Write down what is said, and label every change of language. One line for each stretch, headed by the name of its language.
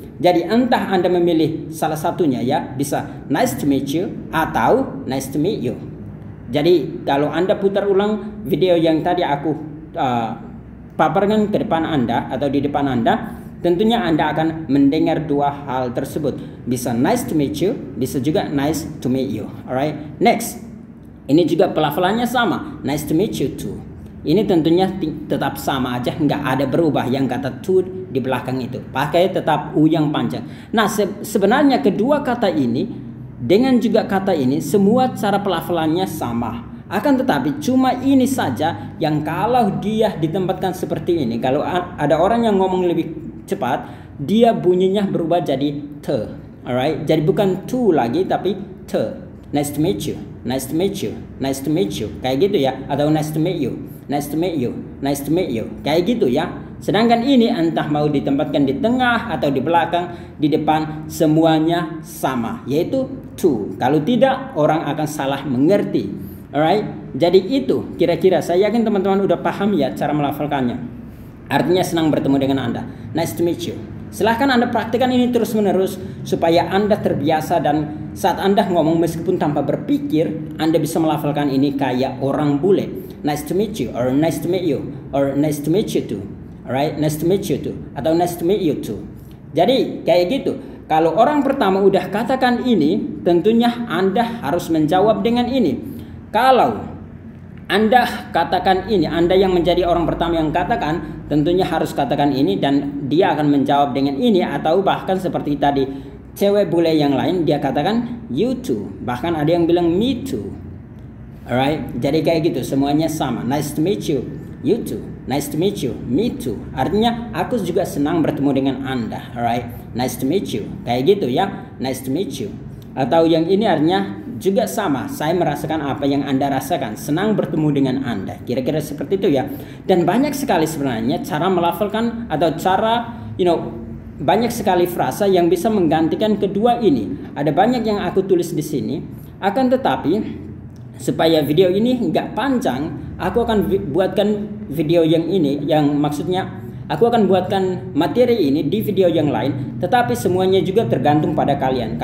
Indonesian: Jadi entah Anda memilih salah satunya ya, bisa
English: nice to meet you
Indonesian: atau
English: nice to meet you.
Indonesian: Jadi kalau Anda putar ulang video yang tadi aku paparkan ke depan Anda atau di depan Anda, tentunya Anda akan mendengar dua hal tersebut.
English: Bisa nice to meet you,
Indonesian: bisa juga
English: nice to meet you. Alright, next.
Indonesian: Ini juga pelafalannya sama,
English: nice to meet you too.
Indonesian: Ini tentunya tetap sama aja, nggak ada berubah yang kata to di belakang itu. Pakai tetap u yang panjang. Nah, sebenarnya kedua kata ini dengan juga kata ini, semua cara pelafalannya sama. Akan tetapi cuma ini saja yang kalau dia ditempatkan seperti ini, kalau ada orang yang ngomong lebih cepat, dia bunyinya berubah jadi te, alright. Jadi bukan to lagi tapi te.
English: Nice to meet you, nice to meet you, nice to meet you,
Indonesian: kayak gitu ya.
English: Atau nice to meet you, nice to meet you, nice to meet you,
Indonesian: kayak gitu ya. Sedangkan ini entah mau ditempatkan di tengah atau di belakang, di depan, semuanya sama, yaitu to. Kalau tidak, orang akan salah mengerti. Alright, jadi itu kira-kira. Saya yakin teman-teman udah paham ya cara melafalkannya. Artinya senang bertemu dengan Anda,
English: nice to meet you.
Indonesian: Silahkan Anda praktikan ini terus-menerus supaya Anda terbiasa, dan saat Anda ngomong meskipun tanpa berpikir, Anda bisa melafalkan ini kayak orang bule.
English: Nice to meet you, or nice to meet you, or nice to meet you too. Alright, nice to meet you too,
Indonesian: atau
English: nice to meet you too.
Indonesian: Jadi kayak gitu. Kalau orang pertama udah katakan ini, tentunya Anda harus menjawab dengan ini. Kalau Anda katakan ini, Anda yang menjadi orang pertama yang katakan, tentunya harus katakan ini, dan dia akan menjawab dengan ini. Atau bahkan seperti tadi, cewek bule yang lain, dia katakan
English: you too.
Indonesian: Bahkan ada yang bilang
English: me too.
Indonesian: Alright, jadi kayak gitu, semuanya sama.
English: Nice to meet you, you too. Nice to meet you, me too.
Indonesian: Artinya, aku juga senang bertemu dengan Anda.
English: Alright, nice to meet you.
Indonesian: Kayak gitu ya,
English: nice to meet you.
Indonesian: Atau yang ini artinya juga sama, saya merasakan apa yang Anda rasakan, senang bertemu dengan Anda. Kira-kira seperti itu ya. Dan banyak sekali sebenarnya cara melafalkan, atau cara,
English: you know,
Indonesian: banyak sekali frasa yang bisa menggantikan kedua ini. Ada banyak yang aku tulis di sini. Akan tetapi, supaya video ini nggak panjang, aku akan buatkan video yang ini, yang maksudnya aku akan buatkan materi ini di video yang lain, tetapi semuanya juga tergantung pada kalian.